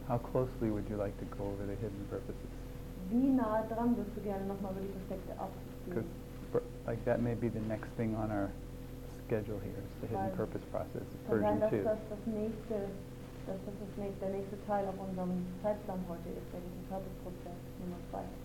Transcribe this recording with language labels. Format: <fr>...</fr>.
<en>How closely would you like to go over the hidden purposes?</en> <de>Wie nah dran würdest du gerne nochmal über die versteckte Absicht gehen?</de> <en>Because like that may be the next thing on our schedule here, is the hidden purpose process, version 2.</en> <de>Das ist der nächste Teil auf unserem Zeitplan heute ist der hidden purpose process Nummer 2.</de>